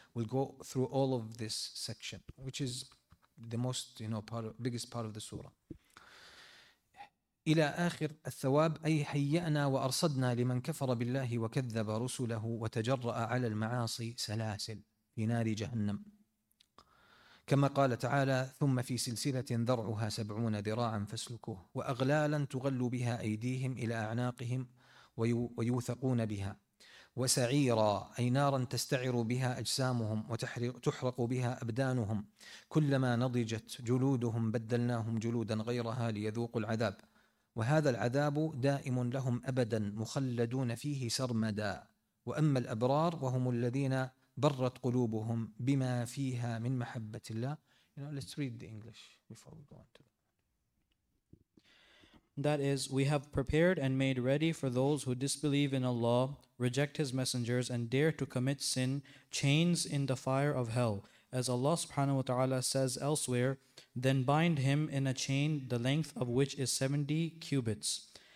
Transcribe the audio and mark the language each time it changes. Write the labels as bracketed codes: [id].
[en] We'll go through all of this section, which is the most, you know, biggest part of the surah. [ar] إِلَىٰ آخِرِ الثَّوَابِ أَيْ حَيَّأْنَا وَأَرْصَدْنَا لِمَنْ كَفَرَ بِاللَّهِ وَكَذَّبَ رُسُلَهُ وَتَجَرَّأَ عَلَى الْمَعَاصِي سَلَاسِلْ فِي نَارِ جَهَنَّمْ كما قال تعالى ثم في سلسلة ذرعها 70 ذراعا فاسلكوه وأغلالا تغل بها أيديهم إلى أعناقهم ويوثقون بها وسعيرا أي نارا تستعر بها أجسامهم وتحرق بها أبدانهم كلما نضجت جلودهم بدلناهم جلودا غيرها ليذوقوا العذاب وهذا العذاب دائم لهم أبدا مخلدون فيه سرمدا وأما الأبرار وهم الذين برت قلوبهم بما فيها من محبة الله. [en] You know, let's read the English before we go on to that. That is, we have prepared and made ready for those who disbelieve in Allah, reject His messengers, and dare to commit sin, chains in the fire of hell. As Allah subhanahu wa ta'ala says elsewhere, then bind him in a chain the length of which is 70 cubits.